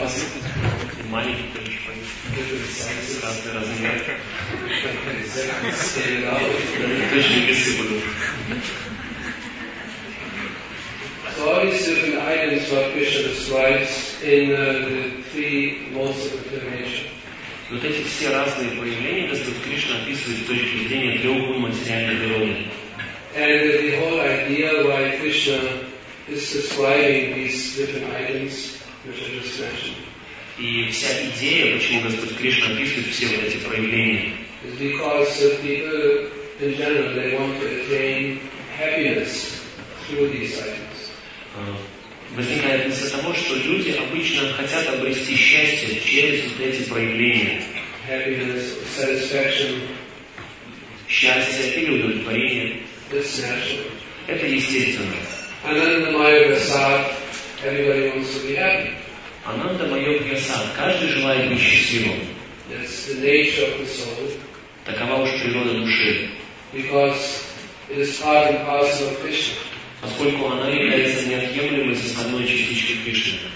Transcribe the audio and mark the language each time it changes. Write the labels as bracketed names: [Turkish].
[English] So all these different items what Krishna describes in the three modes of determination. [Russian] Вот эти все разные проявления Господь Кришна описывает с точки зрения трех ум материальной природы. [English] And the whole idea why Krishna is describing these different items which are just mentioned. [Russian] И вся идея, почему Господь Кришна описывает все вот эти проявления. [English] It's because the people in general they want to attain happiness through these items. [Russian] Возникает из-за того, что люди обычно хотят обрести счастье через вот эти проявления. [English] Happiness, satisfaction. [Russian] Счастье или удовлетворение. [English] That's natural. [Russian] Это естественно. [English] And then in the Maya Prasad, everybody wants to be happy. Ананда Майор Ясад. [Russian] Каждый желает быть счастливым. [English] That's the nature of the soul. [Russian] Такова уж природа души. [English] Because it is part and parcel of Krishna. [Russian] Поскольку она является неотъемлемой составной частичкой Кришны.